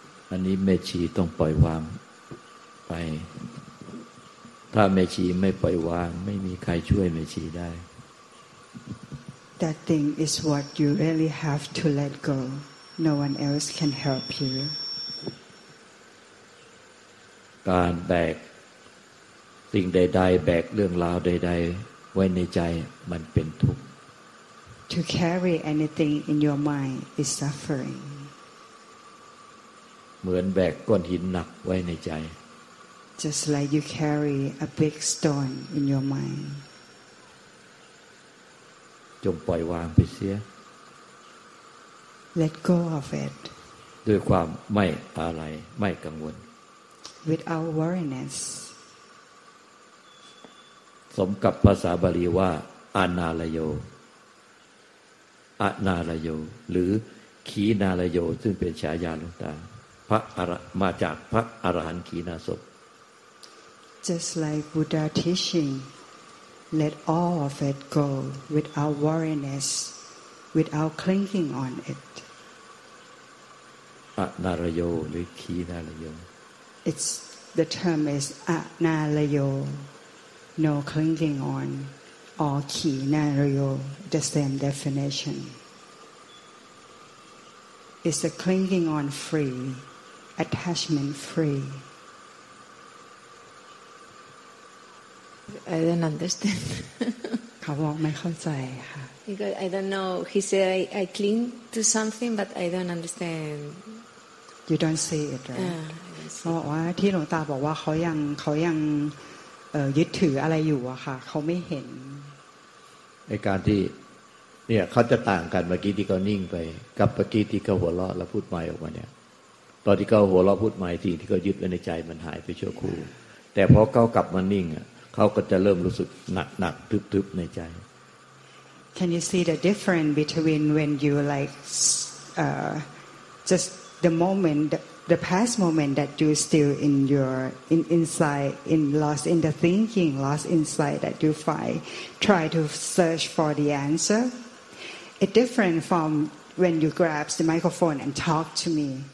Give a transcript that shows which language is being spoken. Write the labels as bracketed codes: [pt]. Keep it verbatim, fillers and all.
[th] อันนี้แม่ชีต้องปล่อยวางไปถ้าแม่ชีไม่ปล่อยวางไม่มีใครช่วยแม่ชีได้ [en] That thing is what you really have to let go. No one else can help you. [th] การแบกสิ่งใดๆแบกเรื่องราวใดๆไว้ในใจมันเป็นทุกข์ [en] To carry anything in your mind is suffering. [th] เหมือนแบกก้อนหินหนักไว้ในใจ [en] Just like you carry a big stone in your mind. [th] จงปล่อยวางไปเสีย [en] Let go of it. [th] ด้วยความไม่อะไรไม่กังวล [en] Without worriness. [th] สมกับภาษาบาลีว่าอานาลโยอานาลโยหรือขีนาลโยซึ่งเป็นฉายาหลวงตาพระอรมาจากพระอรหันต์ขีณาสพ [en] Just like Buddha teaching, let all of it go without worriness, without clinging on it. [th] อานาลโยหรือขีนาลโย [en] It's the term is analayo, no clinging on, or kinarayo, the same definition. It's the clinging on free, attachment free. I don't understand. [th] เขาบอกไม่เข้าใจค่ะ [en] Because I don't know. He said I, I cling to something, but I don't understand. You don't see it, right? Uh. [th] เขาบอกว่าที่หลวงตาบอกว่าเขายังเขายังยึดถืออะไรอยู่อะค่ะเขาไม่เห็น ในการที่เนี่ยเขาจะต่างกันเมื่อกี้ที่เขานิ่งไปกับเมื่อกี้ที่เขาหัวเราะแล้วพูดใหม่ออกมาเนี่ยตอนที่เขาหัวเราะพูดใหม่สิ่งที่เขายึดไว้ในใจมันหายไปชั่วครู่แต่พอเขากลับมานิ่งอะเขาก็จะเริ่มรู้สึกหนักๆทึบๆในใจ [en] Can you see the difference between when you like uh, just the moment the past moment that you still in your in inside in lost in the thinking lost inside that you find try to search for the answer it's different from when you grab the microphone and talk to me